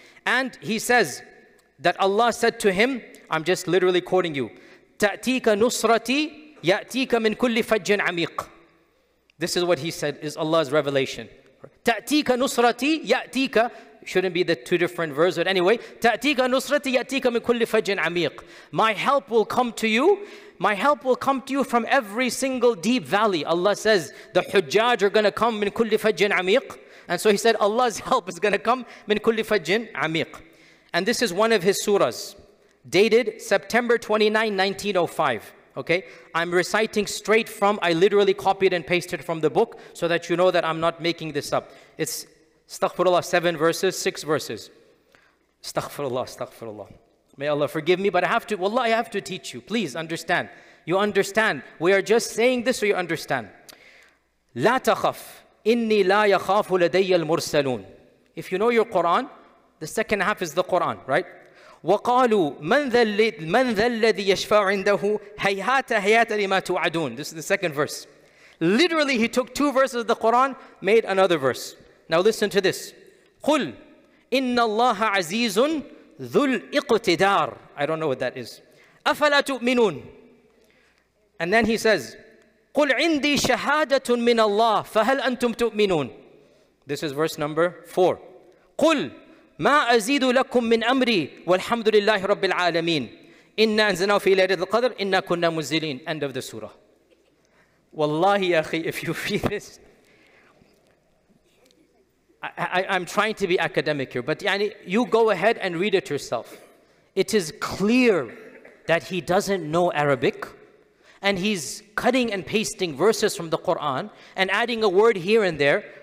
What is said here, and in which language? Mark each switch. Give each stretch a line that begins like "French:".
English: And he says that Allah said to him, I'm just literally quoting you,
Arabic: تَأْتِيكَ نُصْرَتِي يَأْتِيكَ مِنْ كُلِّ فَجٍّ عَمِيقٍ
English: This is what he said, is Allah's revelation.
Arabic: تَأْتِيكَ نُصْرَتِي يَأْتِيكَ
English: Shouldn't be the two different verses, but anyway.
Arabic: تَأْتِيكَ نُصْرَتِي يَأْتِيكَ مِنْ كُلِّ فَجٍّ عَمِيقٍ
English: My help will come to you. My help will come to you from every single deep valley. Allah says, the hujjaj are going to come
Arabic: min kulli fajjin amiq.
English: And so he said, Allah's help is going to come
Arabic: min kulli fajjin amiq.
English: And this is one of his surahs, dated September 29, 1905. Okay, I'm reciting straight from, I literally copied and pasted from the book so that you know that I'm not making this up. It's Astaghfirullah, 7 verses, 6 verses. Astaghfirullah, astaghfirullah. May Allah forgive me, but I have to, wallah, I have to teach you. Please understand. You understand. We are just saying this so you understand.
Arabic: لا تخف إني لا يخاف لدي المرسلون.
English: If you know your Quran, the second half is the Quran, right?
Arabic: وقالوا من ذا الذي يشفع عنده هيهات هيهات لما توعدون.
English: This is the second verse. Literally, he took 2 verses of the Quran, made another verse. Now listen to this.
Arabic: قل إن الله عزيز ذو الإقتدار.
English: I don't know what that is.
Arabic: أفلا تؤمنون.
English: And then he says,
Arabic: قل عندي شهادة من الله فهل أنتم تؤمنون.
English: This is verse number 4.
Arabic: قل ما أزيد لكم من أمري والحمد لله رب العالمين إنا أنزلناه في ليلة القدر إنا كنا منزلين.
English: End of the surah. Wallahi, akhi, if you feel this, I'm trying to be academic here, but yani, you go ahead and read it yourself. It is clear that he doesn't know Arabic, and he's cutting and pasting verses from the Quran and adding a word here and there.